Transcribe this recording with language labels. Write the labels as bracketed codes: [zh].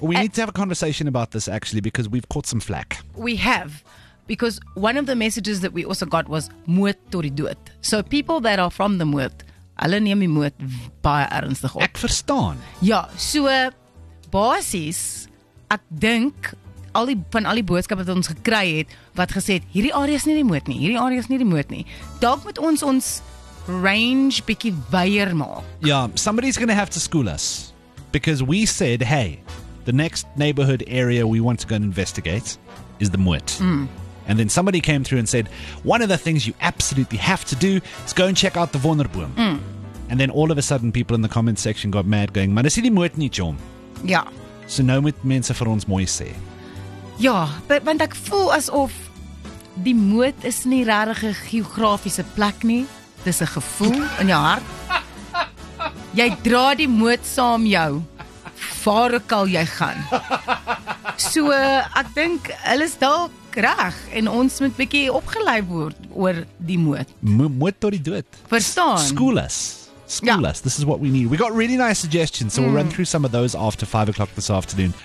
[en] We need to have a conversation about this, actually, because we've caught some flack. We have. Because one of the messages that we also got was Moot Tori Doot. So people that are from the Moot, [af] hulle neem die Moot baie ernstig op. Ek verstaan. Ja, so basis, ek dink van al die boodskappe wat ons gekry het, wat gesê het, hierdie area is nie die moot nie. Dalk moet ons ons range bietjie wyer maak. [en] Ja, somebody's going to have to school us. Because we said, hey, the next neighborhood area we want to go and investigate is the Moot. Mm. And then somebody came through and said, one of the things you absolutely have to do is go and check out the Vonderboom. Mm. And then all of a sudden people in the comment section got mad going, [af] maar dis hierdie moot nie, Jom. Ja. So nou moet mense vir ons mooi sê. Ja, want ek voel asof die moot is nie regtig 'n geografiese plek nie. Dis 'n gevoel in jou hart. Jy dra die moot saam jou. Waar ook al jy gaan. So ek dink hulle is dalk reg en ons moet bietjie opgelei word oor die moot. Moot tot die dood. Verstaan? [en] School us. This is what we need. We got really nice suggestions, so we'll run through some of those after 5 o'clock this afternoon.